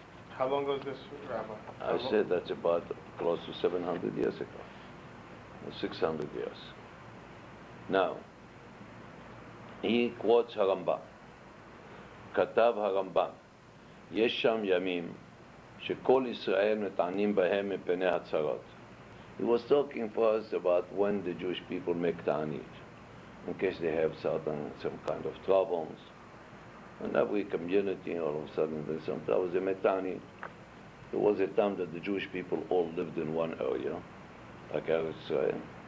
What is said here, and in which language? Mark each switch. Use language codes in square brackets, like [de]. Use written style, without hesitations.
[en] how long was this, Rabbi? I said that's about close to 700 years ago, 600 years. Now, he quotes Haramba, [he] Katav Haramba, Yesham Yamim, שכל ישראל מתענים בהם מפני הצרות. [en] He was talking first about when the Jewish people make ta'anit, in case they have certain, some kind of troubles. And every community, all of a sudden, there's some troubles, they make ta'anit. There was a time that the Jewish people all lived in one area, like Israel.